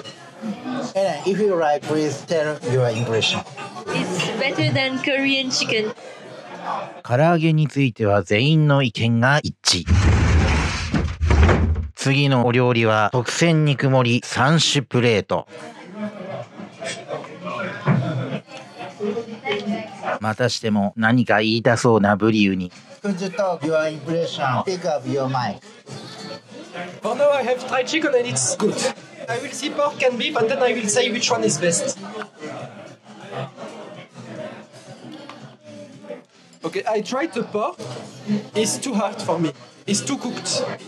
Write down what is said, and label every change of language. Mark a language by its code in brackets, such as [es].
[en] Helen, if you like, please tell your impression. It's better than Korean chicken. [ja] 唐揚げについては全員の意見が一致。次のお料理は特選肉盛り三種プレート。またしても何か言いたそうなブリウに。 [en] Could you talk your impression? Pick up your mic. For now I have tried chicken and it's good. I will see pork and beef and then I will say which one is best. Okay, I tried the pork. It's too hard for me. It's too cooked.